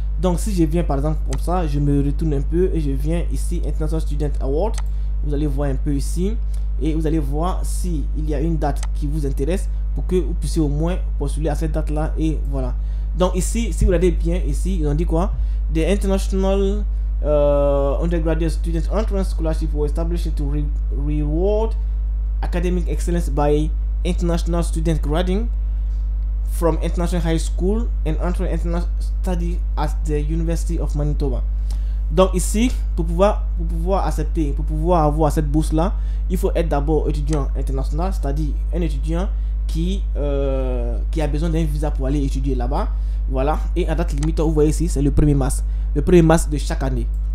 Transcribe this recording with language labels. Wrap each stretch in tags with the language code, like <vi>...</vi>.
<fr>Donc, si je viens par exemple comme ça, je me retourne un peu et je viens ici, International Student Award. Vous allez voir un peu ici et vous allez voir s'il y a une date qui vous intéresse pour que vous puissiez au moins postuler à cette date-là et voilà. Donc ici, si vous regardez bien ici, ils ont dit quoi?</fr> <en>The International Undergraduate Student Entrance Scholarship was established to reward academic excellence by international student graduating from international high school and entering international study at the University of Manitoba.</en> <fr>Donc ici, pour pouvoir accepter, pour pouvoir avoir cette bourse-là, il faut être d'abord étudiant international, c'est-à-dire un étudiant qui a besoin d'un visa pour aller étudier là-bas. Voilà, et à date limite, vous voyez ici, c'est le 1er mars. Le 1er mars de chaque année.</fr>